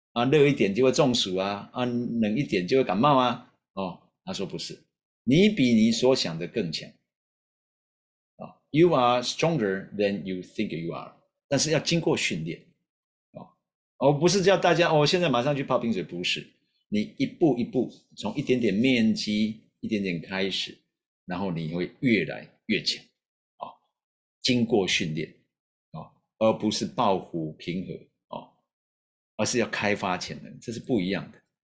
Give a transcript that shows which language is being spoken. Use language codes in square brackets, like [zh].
[zh] 热一点就会中暑啊，冷一点就会感冒啊。他说不是，你比你所想的更强。 [en] You are stronger than you think you are， [zh] 但是要经过训练。不是叫大家现在马上去泡冰水，不是。你一步一步，从一点点面积，一点点开始，然后你会越来越强。经过训练。而不是抱虎平和。而是要开发潜能，这是不一样的。